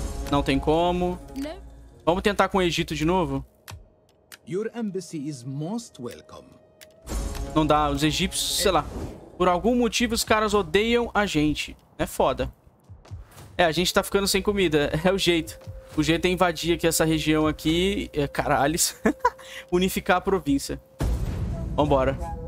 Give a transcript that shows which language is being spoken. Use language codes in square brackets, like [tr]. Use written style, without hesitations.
[pt] Não tem como. Vamos tentar com o Egito de novo? [en] Your embassy is most welcome. [pt] Não dá, os egípcios, sei lá. Por algum motivo os caras odeiam a gente. É foda. É, a gente tá ficando sem comida. É o jeito. O jeito é invadir aqui essa região aqui. É, caralhos. Unificar a província. Vambora.